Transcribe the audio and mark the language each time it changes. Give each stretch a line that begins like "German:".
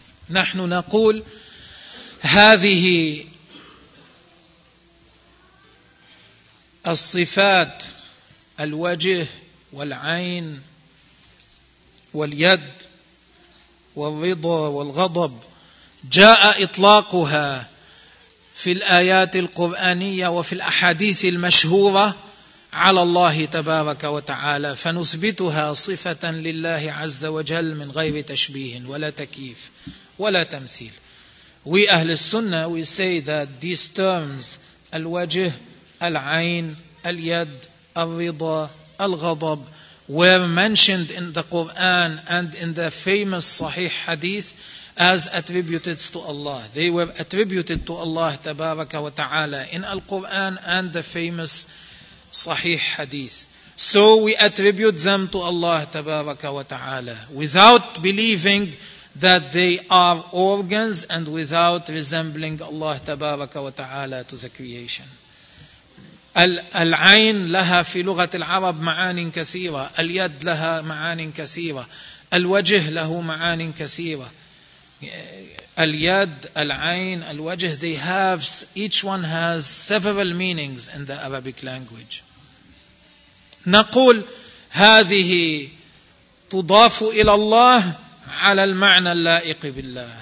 Arabic: نَحْنُ نَقُولُ هَذِهِ الصفات الوجه والعين واليد والرضا والغضب جاء إطلاقها في الآيات القرآنية وفي الأحاديث المشهورة على الله تبارك وتعالى فنثبتها صفة لله عز وجل من غير تشبيه ولا تكييف ولا تمثيل.
English: We
Arabic: أهل السنة
English: we say that these terms
Arabic: الوجه العين
English: Al-Yad, Al-Rida, Al-Ghadab were mentioned in the Quran and in the famous Sahih Hadith as attributed to Allah. They were attributed to Allah Tabaraka wa Ta'ala in Al-Quran and the famous Sahih Hadith. So we attribute them to Allah Tabaraka wa Ta'ala without believing that they are organs and without resembling Allah Tabaraka wa Ta'ala to the creation.
Arabic: العين لها في لغة العرب معان كثيرة، اليد لها معان كثيرة، الوجه له معان كثيرة. اليد، العين، الوجه،
English: they have, each one has several meanings in the Arabic language.
Arabic: نقول هذه تضاف إلى الله على المعنى اللائق بالله.